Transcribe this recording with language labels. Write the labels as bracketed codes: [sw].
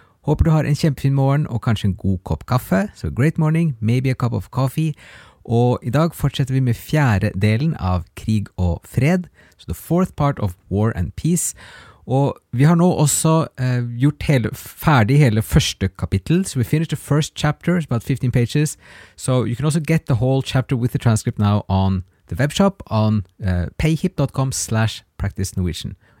[no] Håper du har en kjempefin morgen og kanskje en god kopp kaffe. [en] So great morning, maybe a cup of coffee. [no] Og I dag fortsetter vi med fjerde delen av krig og fred. [en] So the fourth part of war and peace. [no] Og vi har nå også gjort ferdig hele første kapittel. [en] So we finished the first chapter, it's about 15 pages. So you can also get the whole chapter with the transcript now on the webshop on payhip.com/practicenorwegian.